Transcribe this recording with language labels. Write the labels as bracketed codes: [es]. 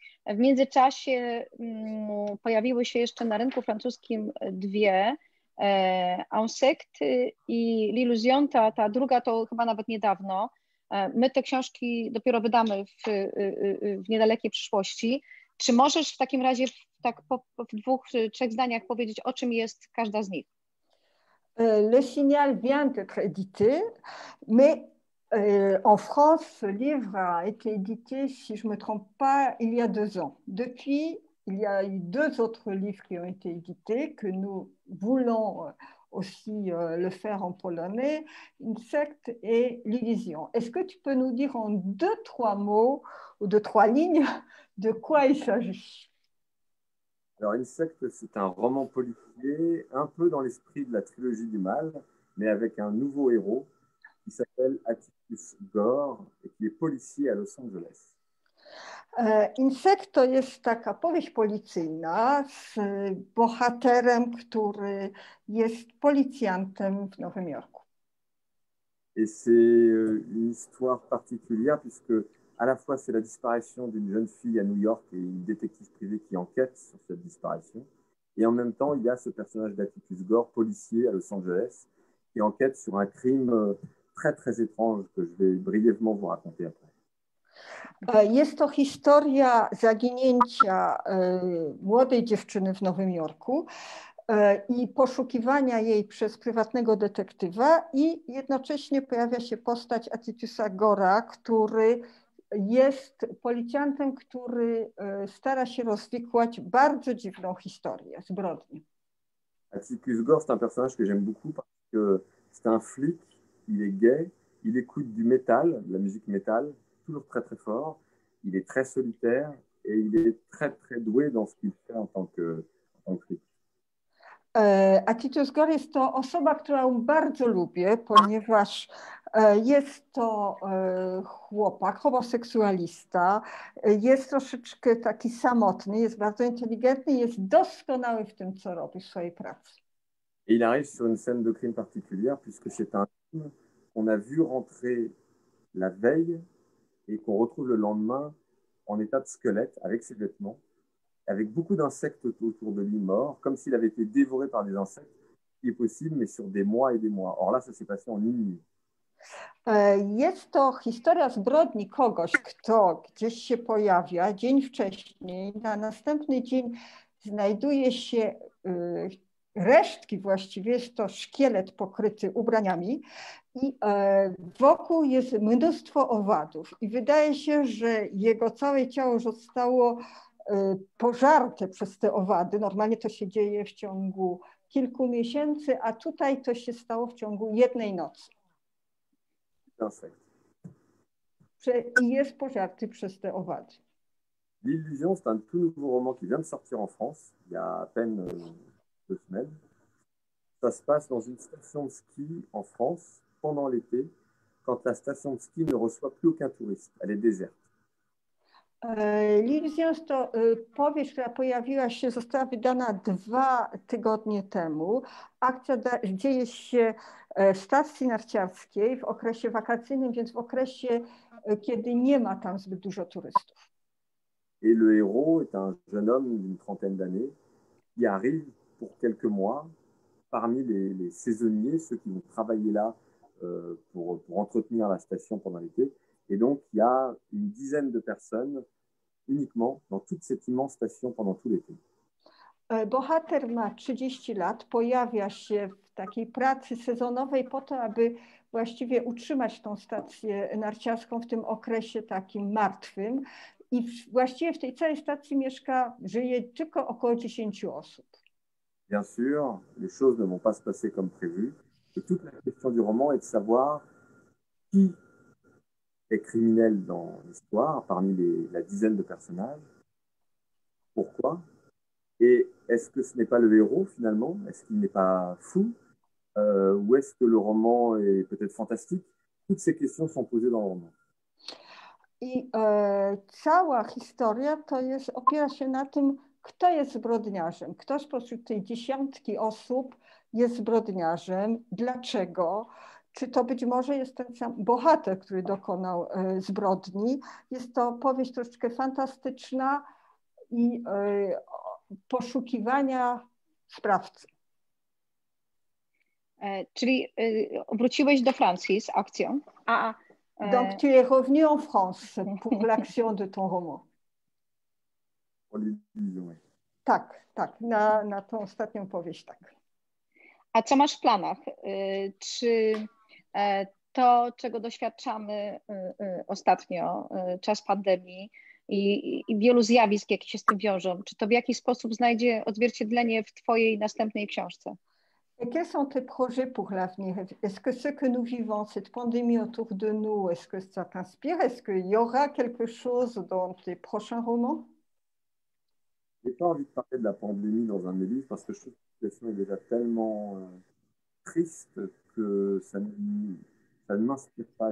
[pl] W międzyczasie pojawiły się jeszcze na rynku francuskim dwie, Insecte i L'Illusion, ta druga to chyba nawet niedawno. My te książki dopiero wydamy w niedalekiej przyszłości. Czy możesz w takim razie tak w dwóch, trzech zdaniach powiedzieć, o czym jest każda z nich? [fr] Le Signal vient d'être édité, mais en France, ce livre a été édité, si je ne me trompe pas, il y a 2 ans. Depuis, il y a eu 2 autres livres qui ont été édités, que nous voulons aussi le faire en polonais, Insecte et L'Illusion. Est-ce que tu peux nous dire en 2, 3 mots ou 2, 3 lignes de quoi il s'agit? Alors, Insecte, c'est un roman policier, un peu dans l'esprit de la trilogie du mal, mais avec un nouveau héros qui s'appelle Atticus Gore et qui est policier à Los Angeles. [pl] Insecte, [fr] c'est [pl] taka powieść policyjna z bohaterem, który jest policjantem w Nowym Jorku. [fr] Et c'est une histoire particulière puisque à la fois, c'est la disparition d'une jeune fille à New York et une détective privée qui enquête sur cette disparition. Et en même temps, il y a ce personnage d'Atticus Gore, policier à Los Angeles, qui enquête sur un crime très, très étrange que je vais brièvement vous raconter après. [pl] Jest to historia zaginięcia młodej dziewczyny w Nowym Jorku i poszukiwania jej przez prywatnego detektywa i jednocześnie pojawia się postać Atticusa Gora, który jest policjantem, który stara się rozwikłać bardzo dziwną historię zbrodni. [fr] Atticus Gore, c'est un personnage que j'aime beaucoup parce que c'est un flic, il est gay, Il écoute du métal, de la musique métal, toujours très très fort. Il est très solitaire et il est très très doué dans ce qu'il fait en tant que critique. [pl] A Titus Gore jest to osoba, którą bardzo lubię, ponieważ jest to chłopak, homoseksualista, jest troszeczkę taki samotny, jest bardzo inteligentny, jest doskonały w tym, co robi, w swojej pracy. [fr] Il arrive sur une scène de crime particulière, puisque c'est un homme qu'on a vu rentrer la veille et qu'on retrouve le lendemain en état de squelette, avec ses vêtements, avec beaucoup d'insectes autour de lui, morts, comme s'il avait été dévoré par des insectes, qui est possible, mais sur des mois et des mois. Or là, ça s'est passé en une nuit. [pl] Jest to historia zbrodni kogoś, kto gdzieś się pojawia dzień wcześniej, na następny dzień znajduje się resztki właściwie, jest to szkielet pokryty ubraniami i wokół jest mnóstwo owadów i wydaje się, że jego całe ciało już zostało pożarte przez te owady. Normalnie to się dzieje w ciągu kilku miesięcy, a tutaj to się stało w ciągu jednej nocy. I jest pożarty przez te owady. [fr] L'illusion, c'est un tout nouveau roman qui vient de sortir en France il y a à peine 2 semaines. Ça se passe dans une station de ski en France pendant l'été, quand la station de ski ne reçoit plus aucun touriste. Elle est déserte. [pl] L'illusion to powieść, która pojawiła się, została wydana 2 tygodnie temu. Akcja dzieje się w stacji narciarskiej w okresie wakacyjnym, więc w okresie, kiedy nie ma tam zbyt dużo turystów. [fr] Et le héros est un jeune homme d'une trentaine d'années qui arrive pour quelques mois parmi les saisonniers, ceux qui vont travailler là pour entretenir la station pendant l'été. Et donc, il y a une dizaine de personnes uniquement dans toute cette immense station pendant tout l'été. [pl] Bohater ma 30 lat, pojawia się w takiej pracy sezonowej po to, aby właściwie utrzymać tą stację narciarską w tym okresie takim martwym. I właściwie w tej całej stacji mieszka, żyje tylko około 10 osób. [fr] Bien sûr, les choses ne vont pas se passer comme prévu. Et toute la question du roman est de savoir qui est criminel dans l'histoire, parmi la dizaine de personnages. Pourquoi? Et est-ce que ce n'est pas le héros finalement? Est-ce qu'il n'est pas fou? Ou est-ce que le roman est peut-être fantastique? Toutes ces questions sont posées dans le roman. [pl] I cała historia to jest, opiera się na tym, kto jest zbrodniarzem. Kto spośród tej dziesiątki osób jest zbrodniarzem? Dlaczego? Czy to być może jest ten sam bohater, który dokonał zbrodni? Jest to powieść troszeczkę fantastyczna i poszukiwania sprawcy. Czyli wróciłeś do Francji z akcją, a [fr] Donc, tu es revenu en France pour l'action de ton roman. [pl] Tak, na tą ostatnią powieść, tak. A co masz w planach? Czy to, czego doświadczamy ostatnio, czas pandemii i wielu zjawisk, jakie się z tym wiążą, czy to w jakiś sposób znajdzie odzwierciedlenie w twojej następnej książce? [fr] Quels sont tes projets pour l'avenir? Est-ce que ce que nous vivons, cette pandémie autour de nous, est-ce que ça t'inspire? Est-ce qu'il y aura quelque chose dans tes prochains romans? J'ai pas envie de parler de la pandémie dans un de mes livres parce que je trouve que la situation est déjà tellement triste que ça ne m'inspire pas.